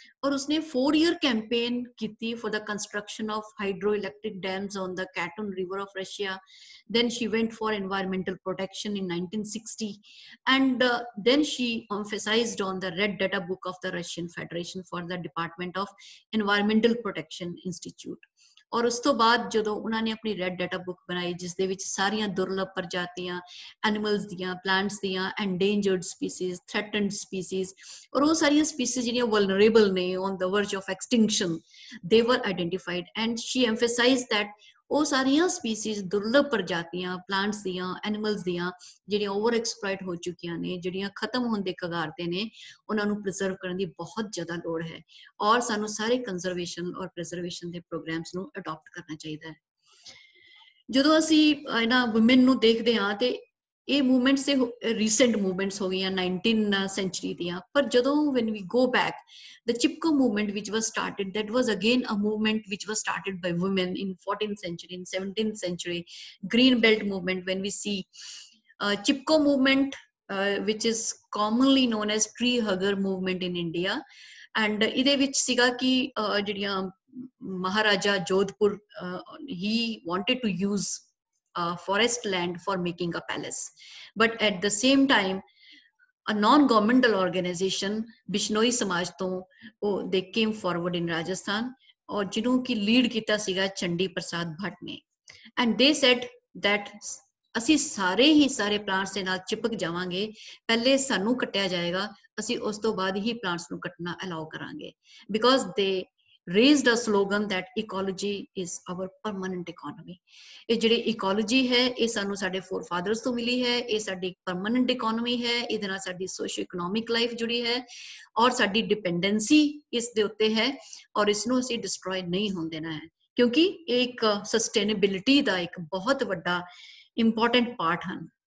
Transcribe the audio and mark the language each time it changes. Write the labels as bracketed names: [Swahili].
[Punjabi] Aur usne [English] 4-year campaign kiti for the construction of hydroelectric dams on the Katun River of Russia. Then she went for environmental protection in 1960. And then she emphasized on the Red Data Book of the Russian Federation for the Department of Environmental Protection Institute. [Punjabi] ਔਰ ਉਸ ਤੋਂ ਬਾਅਦ ਜਦੋਂ ਉਹਨਾਂ ਨੇ ਆਪਣੀ red data book ਬਣਾਈ ਜਿਸ ਦੇ ਵਿੱਚ ਸਾਰੀਆਂ ਦੁਰਲੱਭ ਪ੍ਰਜਾਤੀਆਂ, ਐਨੀਮਲਸ ਦੀਆਂ, ਪਲਾਂਟਸ ਦੀਆਂ, ਐਂਡੇਂਜਰਡ ਸਪੀਸੀਜ਼, ਥ੍ਰੈਟਨਡ ਸਪੀਸੀਜ਼, ਔਰ ਉਹ ਸਾਰੀਆਂ ਸਪੀਸੀਜ਼ ਜਿਹੜੀਆਂ ਵਲਨਰੇਬਲ ਨੇ ਔਨ ਦਾ ਵਰਜ ਆਫ ਐਕਸਟਿੰਕਸ਼ਨ, [English] they were identified, and she emphasize that [Punjabi] ਉਹ ਸਾਰੀਆਂ ਸਪੀਸੀਜ਼, ਦੁਰਲੱਭ ਪ੍ਰਜਾਤੀਆਂ, ਪਲਾਂਟਸ ਦੀਆਂ, ਐਨੀਮਲਸ ਦੀਆਂ, ਜਿਹੜੀਆਂ ਓਵਰ ਐਕਸਪਲੋਇਟ ਹੋ ਚੁੱਕੀਆਂ ਨੇ, ਜਿਹੜੀਆਂ ਖਤਮ ਹੋਣ ਦੇ ਕਗਾਰ ਤੇ ਨੇ, ਉਹਨਾਂ ਨੂੰ ਪ੍ਰਿਜ਼ਰਵ ਕਰਨ ਦੀ ਬਹੁਤ ਜ਼ਿਆਦਾ ਲੋੜ ਹੈ, ਔਰ ਸਾਨੂੰ ਸਾਰੇ ਕੰਜ਼ਰਵੇਸ਼ਨ ਔਰ ਪ੍ਰਿਜ਼ਰਵੇਸ਼ਨ ਦੇ ਪ੍ਰੋਗਰਾਮਸ ਨੂੰ ਅਡੋਪਟ ਕਰਨਾ ਚਾਹੀਦਾ ਹੈ. ਜਦੋਂ ਅਸੀਂ ਇਹਨਾਂ ਵੁਮੈਨ ਨੂੰ ਦੇਖਦੇ ਹਾਂ ਤੇ ਇਹ ਮੂਵਮੈਂਟਸ ਇਹ ਰੀਸੈਂਟ ਮੂਵਮੈਂਟਸ ਹੋ ਗਈਆਂ 19th century ਦੀਆਂ, ਪਰ ਜਦੋਂ [English] When we go back, the Chipko movement which was started, that was again a movement which was started by women in 14th century, in 17th century, green belt movement. When we see Chipko movement which is commonly known as tree hugger movement in India, and [Punjabi] ਇਹਦੇ ਵਿੱਚ ਸੀਗਾ ਕਿ ਜਿਹੜੀਆਂ [English] Maharaja Jodhpur, he wanted to use forest land for making a palace, but at the same time a non-governmental organization Bishnoi Samaj ton they came forward in Rajasthan, [Punjabi] aur jinon ki lead kita siga Chandi Prasad Bhatt ne, [English] and they said that [Punjabi] ਅਸੀਂ ਸਾਰੇ ਹੀ ਸਾਰੇ plants ਦੇ ਨਾਲ ਚਿਪਕ ਜਾਵਾਂਗੇ, ਪਹਿਲੇ ਸਾਨੂੰ ਕੱਟਿਆ ਜਾਏਗਾ, ਅਸੀਂ ਉਸ ਤੋਂ ਬਾਅਦ ਹੀ ਪਲਾਂਟਸ ਨੂੰ ਕੱਟਣਾ ਅਲਾਉ ਕਰਾਂਗੇ, [English] Because they raised a slogan that ecology is our permanent economy. [Punjabi] ਇਹ ਜਿਹੜੀ ਇਕੋਲੋਜੀ ਹੈ ਇਹ ਸਾਨੂੰ ਸਾਡੇ ਫੋਰ ਫਾਦਰਸ ਤੋਂ ਮਿਲੀ ਹੈ, ਇਹ ਸਾਡੀ ਪਰਮਾਨੈਂਟ ਇਕੋਨਮੀ ਹੈ, ਇਹਦੇ ਨਾਲ ਸਾਡੀ ਸੋਸ਼ੋ ਇਕਨੋਮਿਕ ਲਾਈਫ ਜੁੜੀ ਹੈ ਔਰ ਸਾਡੀ ਡਿਪੈਂਡੈਂਸੀ ਇਸ ਦੇ ਉੱਤੇ ਹੈ ਔਰ ਇਸਨੂੰ ਅਸੀਂ ਡਿਸਟਰੋਏ ਨਹੀਂ ਹੋਣ ਦੇਣਾ ਹੈ ਕਿਉਂਕਿ ਇਹ ਇੱਕ ਸਸਟੇਨੇਬਿਲਿਟੀ ਦਾ ਇੱਕ ਬਹੁਤ ਵੱਡਾ ਇੰਪੋਰਟੈਂਟ ਪਾਰਟ ਹਨ।